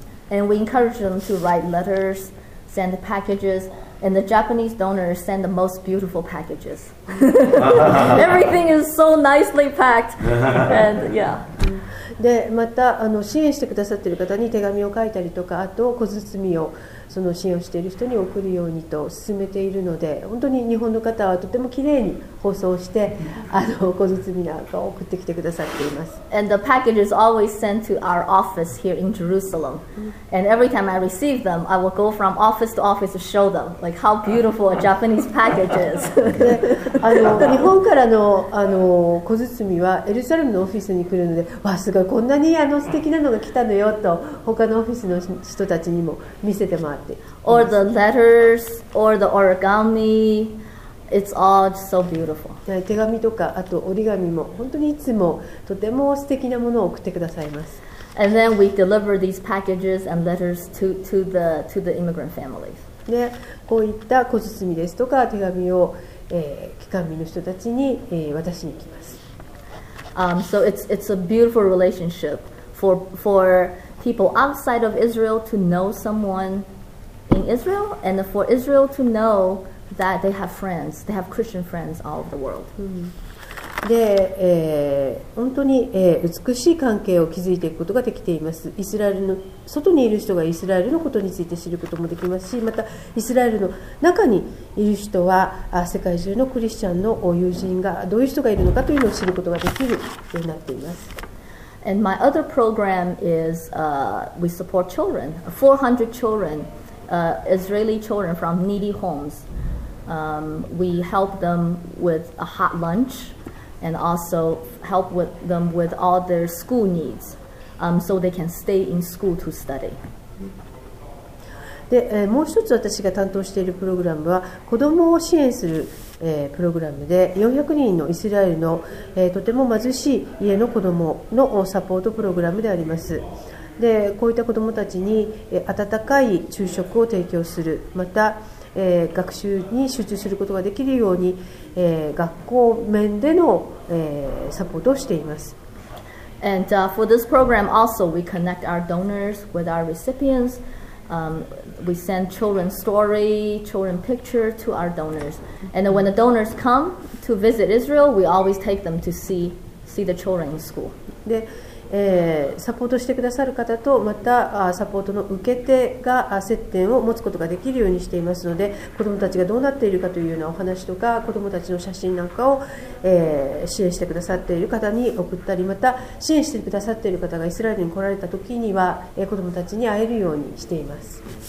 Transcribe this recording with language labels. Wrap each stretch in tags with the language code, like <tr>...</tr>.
<en>And we encourage them to write letters, send packages, and the Japanese donors send the most beautiful packages. Everything is so nicely packed. And yeah.</en> <ja>で、また支援してくださっている方に手紙を書いたりとか、あと小包みをその支援をしている人に送るようにと進めているので、本当に日本の方はとてもきれいに包装して小包みなんかを送ってきてくださっています。</ja> <en>And the package is always sent to our office here in Jerusalem. And every time I receive them, I will go from office to office to show them like how beautiful a Japanese package is.</en> <ja>日本から の小包みはエルサレムのオフィスに来るので、わあすごい、こんなに素敵なのが来たのよと他のオフィスの人たちにも見せてます。</ja> <en>Or the letters, or the origami, it's all so beautiful.</en> <ja>手紙とかあと折り紙も本当にいつもとても素敵なものを送ってくださいます。</ja> <en>And then we deliver these packages and letters to the immigrant families.</en> <ja>で、こういった小包みですとか手紙を、帰還民の人たちに、渡しに行きます。</ja> <en>So it's a beautiful relationship for people outside of Israel to know someone. In Israel, and for Israel to know that they have friends, they have Christian friends all over the world.</en> <ja>で、本当に、美しい関係を築いていくことができています。イスラエルの外にいる人がイスラエルのことについて知ることもできますし、またイスラエルの中にいる人は世界中のクリスチャンの友人がどういう人がいるのかというのを知ることができるようになっています。</ja> <en>And my other program is we support children, 400 children. Israeli children from needy homes. We help them with a hot lunch and also help with them with all their school needs, so they can stay in school to study.</en> <ja>で、もう一つ私が担当しているプログラムは子どもを支援する、プログラムで、400人のイスラエルの、とても貧しい家の子どものサポートプログラムであります。で、こういった子どもたちに温かい昼食を提供する、また、学習に集中することができるように、学校面での、サポートをしています。</ja> <en>And for this program also we connect our donors with our recipients. We send children story, children picture to our donors. And when the donors come to visit Israel, we always take them to see the children in school.</en> <ja>でサポートしてくださる方と、またサポートの受け手が接点を持つことができるようにしていますので、子どもたちがどうなっているかというようなお話とか、子どもたちの写真なんかを、支援してくださっている方に送ったり、また支援してくださっている方がイスラエルに来られた時には、子どもたちに会えるようにしています。</ja>